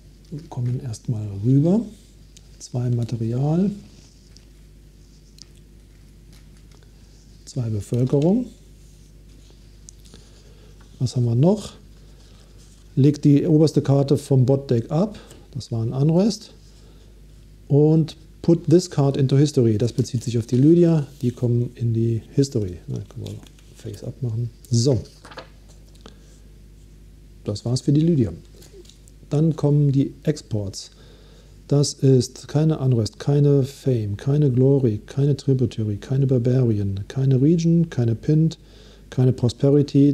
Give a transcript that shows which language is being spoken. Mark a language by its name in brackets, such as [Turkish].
[German] Wir kommen erstmal rüber. 2 Material, 2 Bevölkerung. Was haben wir noch? Legt die oberste Karte vom Botdeck ab. Das war ein Unrest. [English] Und put this card into history. [German] Das bezieht sich auf die Lydia. Die kommen in die History. Na, können wir Face up machen. So. Das war's für die Lydia. Dann kommen die Exports. Das ist keine Unrest, keine Fame, keine Glory, keine Tributary, keine Barbarian, keine Region, keine Pint, keine Prosperity.